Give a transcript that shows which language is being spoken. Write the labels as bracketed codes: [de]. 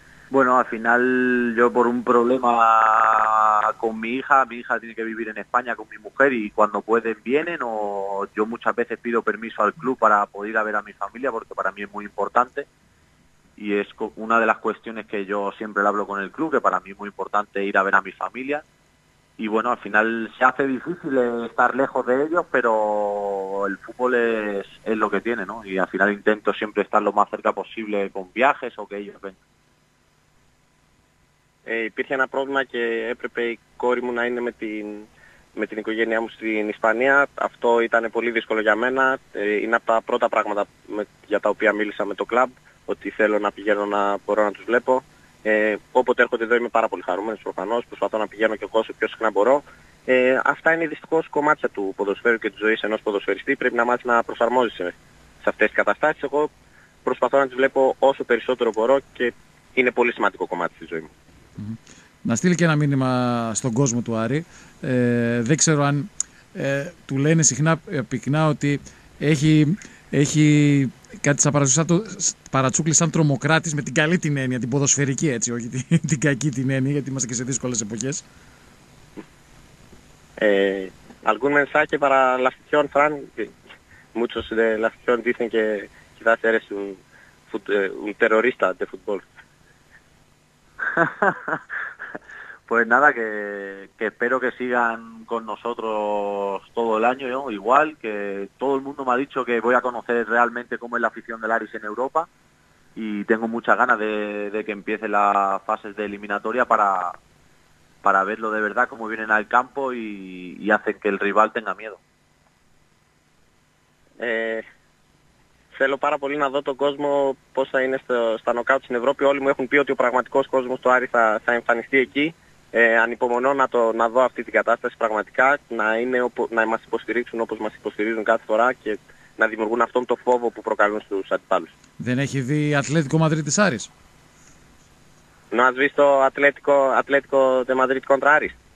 [es] Bueno, al final yo por un problema con mi hija tiene que vivir en España con mi mujer y cuando pueden vienen o yo muchas veces pido permiso al club para poder ir a ver a mi familia porque para mí es muy importante y es una de las cuestiones que yo siempre le hablo con el club, que para mí es muy importante ir a ver a mi familia y bueno, al final se hace difícil estar lejos de ellos, pero el fútbol es lo que tiene, ¿no? Y al final intento siempre estar lo más cerca posible con viajes o que ellos vengan. [el] Υπήρχε ένα πρόβλημα και έπρεπε η κόρη μου να είναι με την οικογένειά μου στην Ισπανία. Αυτό ήταν πολύ δύσκολο για μένα. Είναι από τα πρώτα πράγματα για τα οποία μίλησα με το κλαμπ, ότι θέλω να πηγαίνω να μπορώ να τους βλέπω. Όποτε έρχονται εδώ είμαι πάρα πολύ χαρούμενος προφανώς, προσπαθώ να πηγαίνω και εγώ όσο πιο συχνά μπορώ. Αυτά είναι δυστυχώς κομμάτια του ποδοσφαίρου και της ζωής ενός ποδοσφαιριστή. Πρέπει να μάθεις να προσαρμόζεσαι σε αυτές τις καταστάσεις. Εγώ προσπαθώ να τις βλέπω όσο περισσότερο μπορώ και είναι πολύ σημαντικό κομμάτι στη ζωή μου. Να στείλει και ένα μήνυμα στον κόσμο του Άρη. Δεν ξέρω αν του λένε συχνά πυκνά ότι έχει κάτι σαν παρατσούκλι σαν τρομοκράτης με την καλή την έννοια, την ποδοσφαιρική έτσι, όχι την κακή την έννοια, γιατί είμαστε και σε δύσκολες εποχές. [es] Algún mensaje para la afición, Fran. Muchos de la afición dicen que quizás eres un terrorista de fútbol. Pues nada, que espero que sigan con nosotros todo el año, ¿no? Igual, que todo el mundo me ha dicho que voy a conocer realmente cómo es la afición del Aris en Europa y tengo muchas ganas de que empiece las fases de eliminatoria para verlo de verdad, cómo vienen al campo y hacen que el rival tenga miedo. [el] Θέλω πάρα πολύ να δω τον κόσμο πώς θα είναι στα νοκάουτ στην Ευρώπη. Όλοι μου έχουν πει ότι ο πραγματικός κόσμος του Άρη θα εμφανιστεί εκεί. Ανυπομονώ να δω αυτή την κατάσταση πραγματικά, να μας υποστηρίξουν όπως μας υποστηρίζουν κάθε φορά και να δημιουργούν αυτόν τον φόβο που προκαλούν στους αντιπάλους. Δεν έχει δει Ατλέτικο Μαδρίτης Άρης? [es] No has visto Atlético de Madrid contra Άρης?